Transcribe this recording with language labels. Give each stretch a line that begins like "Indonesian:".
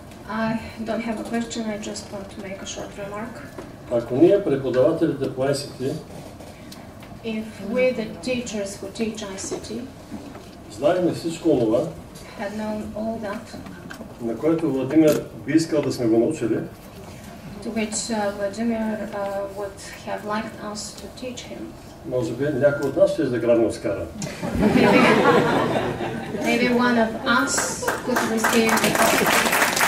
English: I don't have a question, I just want to make a short remark.
Bulgarian: Ако ние преподавателите по ICT,
English: if we the teachers who teach ICT,
Bulgarian: знаем всичко това,
English: had known all that,
Bulgarian: на което Владимир би искал да сме го научили,
English: to which Владимир would have liked us to teach him.
Bulgarian: Може би някой от нас ще заграбне Оскара.
English: Maybe one of us could receive the Oscar.